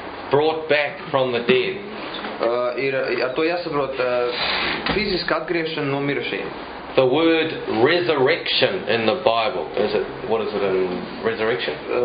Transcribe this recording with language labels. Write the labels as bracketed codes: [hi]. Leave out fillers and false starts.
[en] brought back from the dead. [lv] Ar to jāsaprot fiziska atgriešana no mirušajiem. [en] The word resurrection in the Bible, is it, what is it in resurrection?